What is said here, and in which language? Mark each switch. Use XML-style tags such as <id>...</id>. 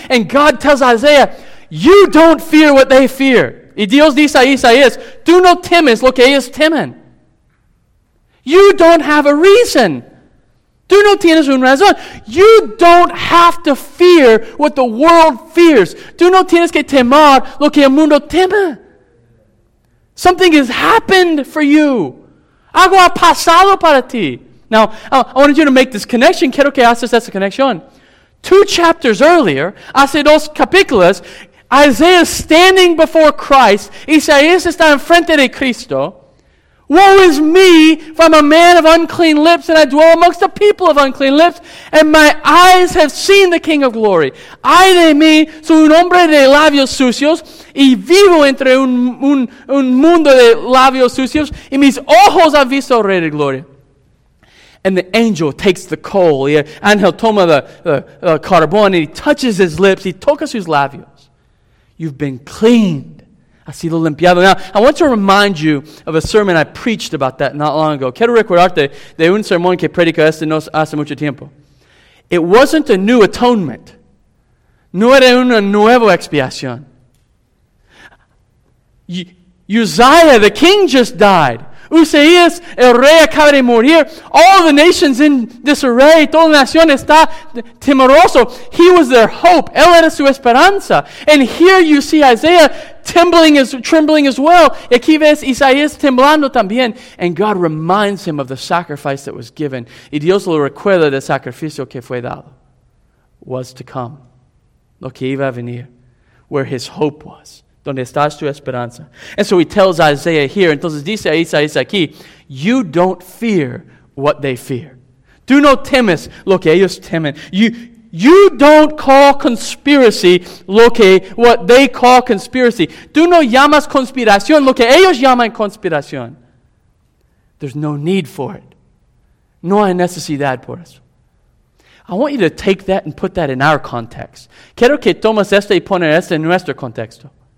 <en>And God tells Isaiah, you don't fear what they fear.</en> <es>Y Dios dice a Isaías, tú no temes lo que ellos temen.</es> <en>You don't have a reason.</en> <es>Tú no tienes una razón.</es> <en>You don't have to fear what the world fears.</en> <es>Tú no tienes que temer lo que el mundo teme.</es> <en>Something has happened for you.</en> <es>Algo ha pasado para ti.</es> <en>Now, I wanted you to make this connection.</en> <es>Quiero que haces esa conexión.</es> <en>Two chapters earlier, hace dos capítulos, Isaiah is standing before Christ.</en> <es>Isaías está enfrente de Cristo.</es> <en>Woe is me, for I'm a man of unclean lips, and I dwell amongst the people of unclean lips, and my eyes have seen the King of Glory.</en> <es>Ay de mí, soy un hombre de labios sucios, y vivo entre un mundo de labios sucios, y mis ojos han visto el Rey de Gloria.</es> <en>And the angel takes the coal,</en> <es>y el ángel toma</es> <en>the carbón, and he touches his lips, he</en> <es>toca sus labios.</es> <en>You've been cleaned.</en> <es>Ha sido limpiado.</es> <en>Now, I want to remind you of a sermon I preached about that not long ago.</en> <es>Quiero recordarte de un sermón que predico este no hace mucho tiempo.</es> <en>It wasn't a new atonement.</en> <es>No era una nueva expiación.</es> <en>Uzziah, the king, just died.</en> <es>Uzziah, el rey, acaba de morir.</es> <en>All the nations in disarray.</en> <es>Toda la nación está temeroso.</es> <en>He was their hope.</en> <es>Él era su esperanza.</es> <en>And here you see Isaiah trembling as well.</en> <es>Aquí ves Isaías temblando también.</es> <en>And God reminds him of the sacrifice that was given.</en> <es>Y Dios lo recuerda del sacrificio que fue dado.</es> <en>Was to come.</en> <es>Lo que iba a venir.</es> <en>Where his hope was.</en> <es>Donde estás tu esperanza.</es> <en>And so he tells Isaiah here.</en> <es>Entonces dice a Isaías aquí.</es> <en>You don't fear what they fear.</en> <es>Tú no temes lo que ellos temen.</es> <en>You don't call conspiracy</en> <es>lo que</es> <en>what they call conspiracy.</en> <es>Tú no llamas conspiración lo que ellos llaman conspiración.</es> <en>There's no need for it.</en> <es>No hay necesidad por eso.</es> <en>I want you to take that and put that in our context.</en> <es>Quiero que tomes esto y pones esto en nuestro contexto.</es>